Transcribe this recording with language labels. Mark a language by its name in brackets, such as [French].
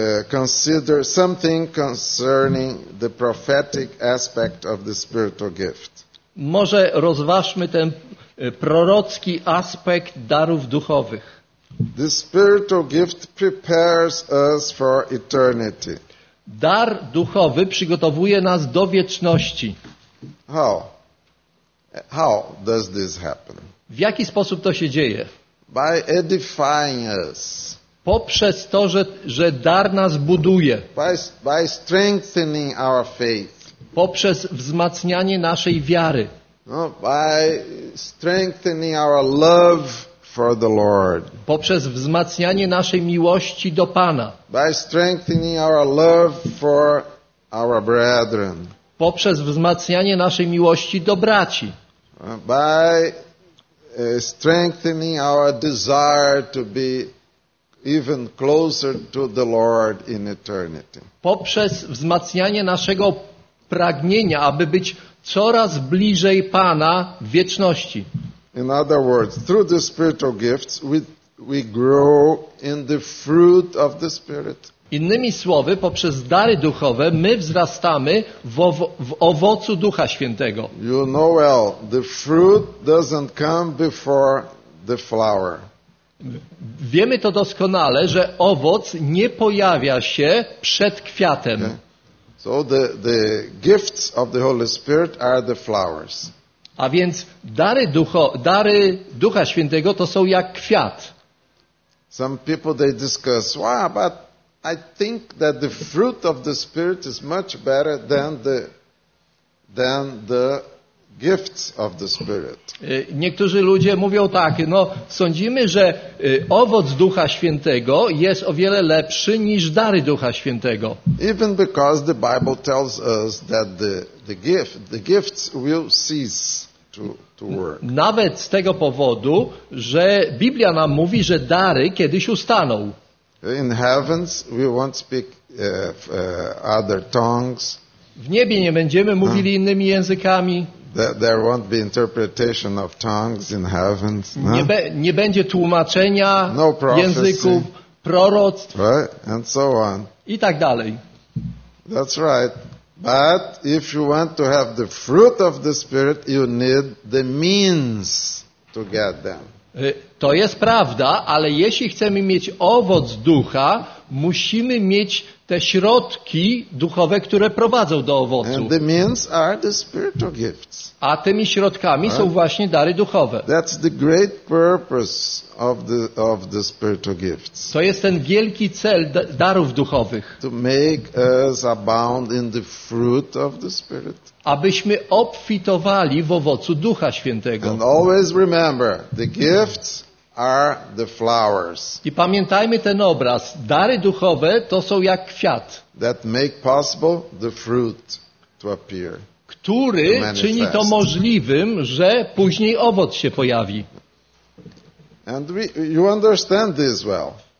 [English] Consider something concerning the prophetic aspect of the spiritual gift. [Polish] Może rozważmy ten prorocki aspekt darów duchowych. [English] The spiritual gift prepares us for eternity. [Polish] Dar duchowy przygotowuje nas do wieczności. [English] How does this happen? [Polish] W jaki sposób to się dzieje? [English] By edifying us. [Polish] Poprzez to, że dar nas buduje. [English] By strengthening our faith. [Polish] Poprzez wzmacnianie naszej wiary. [English] No, by strengthening our love for the Lord. [Polish] Poprzez wzmacnianie naszej miłości do Pana. [English] By strengthening our love for our brethren. [Polish] Poprzez wzmacnianie naszej miłości do braci. [English] By strengthening our desire to be even closer to the Lord in eternity. [Polish] Poprzez wzmacnianie naszego pragnienia, aby być coraz bliżej Pana w wieczności. [English] In other words, through the spiritual gifts we grow in the fruit of the Spirit. [Polish] Innymi słowy, poprzez dary duchowe my wzrastamy w owocu Ducha Świętego. [English] You know well, the fruit doesn't come before the flower. [Polish] Wiemy to doskonale, że owoc nie pojawia się przed kwiatem. [English] Okay. So the gifts of the Holy Spirit are the flowers. [Polish] A więc dary Ducha Świętego to są jak kwiat. [English] Some people they discuss, wow, but I think that the fruit of the Spirit is much better than the gifts of the Spirit. [Polish] Niektórzy ludzie mówią tak, no sądzimy, że owoc Ducha Świętego jest o wiele lepszy niż dary Ducha Świętego. [English] Even because the Bible tells us that the gifts will cease to work. [Polish] Nawet z tego powodu, że Biblia nam mówi, że dary kiedyś ustaną. [English] In heavens we won't speak other tongues. [Polish] W niebie nie będziemy mówili innymi językami. [English] There won't be interpretation of tongues in heavens. [Polish] No? Nie będzie tłumaczenia [English] no prophecy, [Polish] języków, proroctw, [English] right? And so on. [Polish] I tak dalej. [English] That's right. But if you want to have the fruit of the Spirit, you need the means to get them. [Polish] To jest prawda, ale jeśli chcemy mieć owoc Ducha, musimy mieć te środki duchowe, które prowadzą do owocu. [English] And the means are the spiritual gifts. [Polish] A tymi środkami są właśnie dary duchowe. [English] That's the great purpose of the spiritual gifts. [Polish] To jest ten wielki cel darów duchowych. [English] To make us abound in the fruit of the Spirit. [Polish] Abyśmy obfitowali w owocu Ducha Świętego. [English] And always remember, the gifts are the flowers. [Polish] I pamiętajmy ten obraz. Dary duchowe to są jak kwiat. [English] That make possible the fruit to appear. [Polish] Który czyni to możliwym, że później owoc się pojawi. [English] And you understand this well.